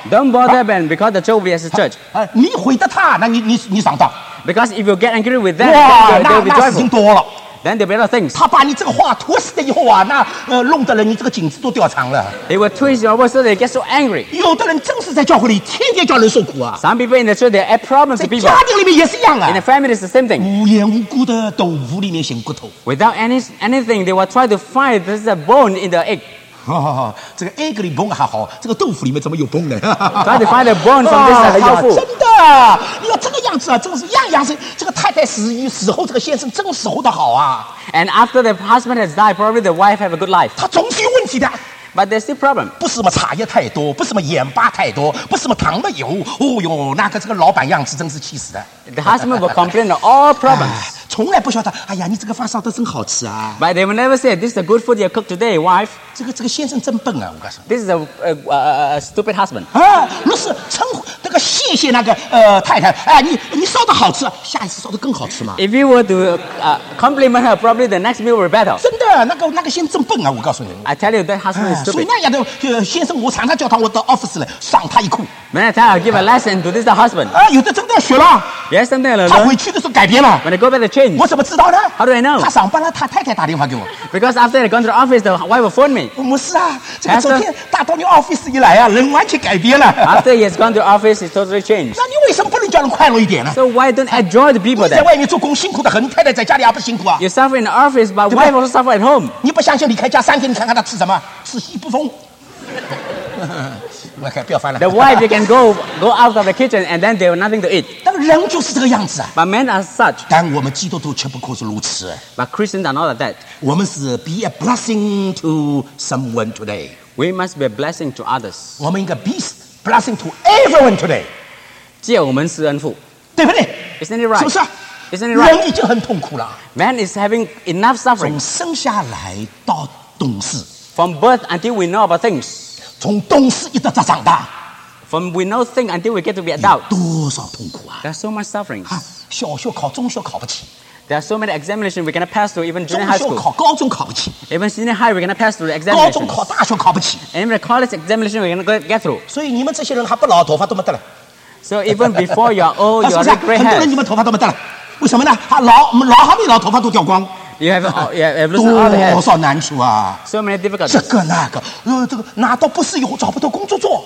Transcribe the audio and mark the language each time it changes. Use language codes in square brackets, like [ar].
[en] Don't bother them because the church will be as a church. [zh] 你毁的他，那你上当。 [en] Because if you get angry with them, they'll be joyful. [zh] 那事情多了。 [en] Then there are better things. [zh] 他把你这个话吐死了以后啊，那弄得人你这个颈子都掉长了。 [en] They will twist your words so they get so angry. [zh] 有的人正是在教会里天天叫人受苦啊。 [en] Some people in the church they add problems to people. [zh] 在家庭里面也是一样啊。 [en] In the family is the same thing. [zh] 无缘无故的豆腐里面寻骨头。 [en] Without anything, they will try to find this is a bone in the egg. [zh] 这个 egg 里 bone 还好，这个豆腐里面怎么有 bone 呢？ [en] Try to find a bone from this healthy food. [zh] 真的。真是样样是这个太太死后这个先生真死后的好啊。 [en] And after the husband has died, probably the wife have a good life. [zh] 他总是有问题的。 [en] But there's still problem. [zh] 不是什么茶叶太多，不是什么盐巴太多，不是什么糖的油。哦哟，那个这个老板样子真是气死的。 [en] The husband will complain of all problems. [zh] 从来不晓得，哎呀，你这个饭烧的真好吃啊。 [en] But they will never say this is a good food you cook today, wife. [zh] 这个先生真笨啊，我告诉你。 [en] This is a stupid husband. [zh] 不是称呼。谢谢那个太太，你烧的好吃，下一次烧的更好吃嘛。 [en] If you were to compliment her, probably the next meal will be better. [zh] 真的，那个先生笨啊，我告诉你。 [en] I tell you that husband is stupid. [zh] 所以那样的先生，我常常叫他我的 office 来赏他一哭。 [en] Many times I give a lesson to this husband. [zh] 有的真的学了。 [en] Yes, some day [zh] 了。他回去的时候改变了。 [en] When I go back, they change. [zh] 我怎么知道呢 [en] ？How do I know? [zh] 他上班了，他太太打电话给我。 [en] Because after I gone to the office, the wife will phone me. [zh] 不是啊，这个昨天大到你 office 一来啊，人完全改变了。 [en] After he has gone to the office, he's totally changed. [zh] 那你为什么不能叫人快乐一点呢 [en] ？So why don't enjoy the people then? [zh] 你在外面做工辛苦的很，太太在家里还不辛苦啊 [en] ？You suffer in the office, but wife also suffer at home. [zh] 你不相信离开家三天，你看看他吃什么？吃西不疯。 Okay, 不要翻了 [en] The wife can go out of the kitchen and then there's nothing to eat. [zh] 但人就是这个样子啊。 [en] But men are such. [zh] 但我们基督徒却不过是如此。 [en] But Christians are not like that. [zh] 我们是 [en] be a blessing to someone today. We must be a blessing to others. [zh] 我们应该 [en] be blessing to everyone today. [zh] 借我们施恩父。对不对 [en] ？Isn't it right? [zh] 是不是？ [en] Isn't it right? [zh] 人已经很痛苦了。 [en] Man is having enough suffering. [zh] 从生下来到懂事。 [en] From birth until we know about things. [zh] 从懂事一直到长大 [en] ，from we know things until we get to be adult， [zh] 多少痛苦啊 [en] ！There's so much suffering。 [zh] 小学考中学考不起 [en] ，There are so many examinations we cannot pass through even junior high school。 [zh] 中学考高中考不起 [en] ，even senior high we cannot pass through the examinations。 [zh] 高中考大学考不起 [en] ，even college examination we cannot get through。 [zh] 所以你们这些人还不老，头发都没得了。 So even before you are old, you are gray hair。很多人你们头发都没得了，为什么呢？老还没老，头发都掉光。 [en] You have [zh] 多少难处啊 [en] ！So many difficulties. [zh] 这个那个，这个拿到博士以后找不到工作做。